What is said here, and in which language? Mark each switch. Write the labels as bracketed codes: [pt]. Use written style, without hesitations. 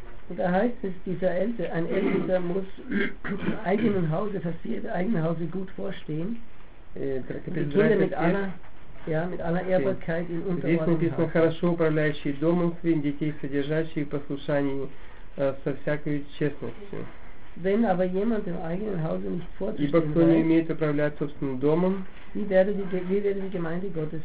[de] Da heißt es, dieser Älteste, ein Ältester muss im eigenen Hause, dass sie im eigenen Hause gut vorstehen. Die Kinder mit aller Ja, mit aller Ehrbarkeit in Unterordnung. [ru] Здесь написано хорошо управляющий домом своим, детей содержащий в послушании со всякой честностью. [de] Wenn aber jemand im eigenen Hause nicht vorzustehen [ru] Ибо кто не умеет управлять собственным домом, [de] wie werden die Gemeinde Gottes